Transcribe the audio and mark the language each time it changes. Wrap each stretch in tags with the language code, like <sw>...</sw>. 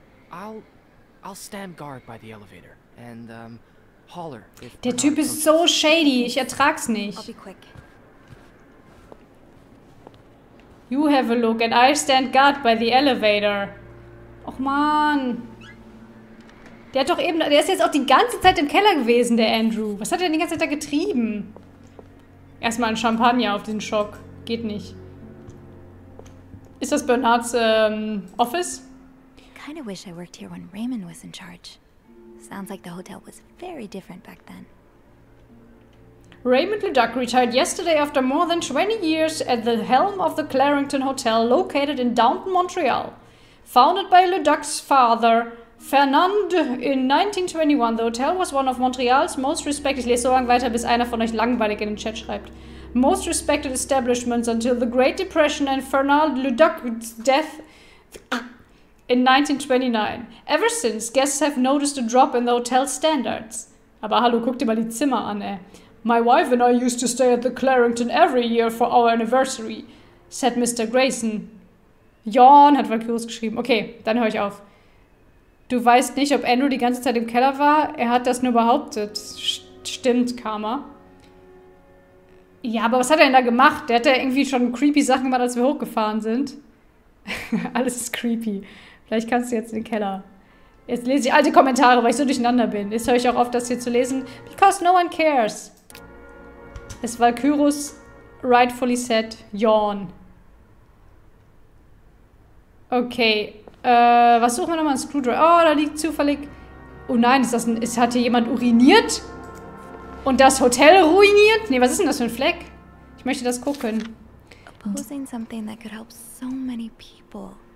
<en>I'll stand guard by the elevator and holler.</en> <de>Der Typ ist so shady, ich ertrag's nicht.</de> <en>I'll be quick. You have a look and I stand guard by the elevator.</en> <de>Och man. Der ist jetzt auch die ganze Zeit im Keller gewesen, der Andrew. Was hat er denn die ganze Zeit da getrieben? Erstmal ein Champagner auf den Schock. Geht nicht. Ist das Bernards Office?</de> <en>I kind of wish I worked here when Raymond was in charge. Sounds like the hotel was very different back then. Raymond Leduc retired yesterday after more than 20 years at the helm of the Clarington Hotel located in downtown Montreal. Founded by Leduc's father, Fernand, in 1921, the hotel was one of Montreal's most respected...</en> <de>Ich lese so lange weiter, bis einer von euch langweilig in den Chat schreibt.</de> <en>Most respected establishments until the Great Depression and Fernand Leduc's death... in 1929. Ever since, guests have noticed a drop in the hotel standards.</en> <de>Aber hallo, guck dir mal die Zimmer an, ey.</de> <en>My wife and I used to stay at the Clarington every year for our anniversary, said Mr.</en> <de>Grayson. Jan hat Valkyrus geschrieben. Okay, dann höre ich auf. Du weißt nicht, ob Andrew die ganze Zeit im Keller war? Er hat das nur behauptet. Stimmt, Karma. Ja, aber was hat er denn da gemacht? Der hat ja irgendwie schon creepy Sachen gemacht, als wir hochgefahren sind. Alles ist creepy. Vielleicht kannst du jetzt in den Keller. Jetzt lese ich alte Kommentare, weil ich so durcheinander bin. Jetzt höre ich auch auf, das hier zu lesen.</de> <en>Because no one cares. Ist Valkyrus rightfully said? Yawn.</en> <de>Okay. Was suchen wir nochmal? Ein Screwdriver. Oh, da liegt zufällig... Oh nein, ist das ein... Hat hier jemand uriniert? Und das Hotel ruiniert? Nee, was ist denn das für ein Fleck? Ich möchte das gucken.</de> <en>Opposing something that could help so many people.</en>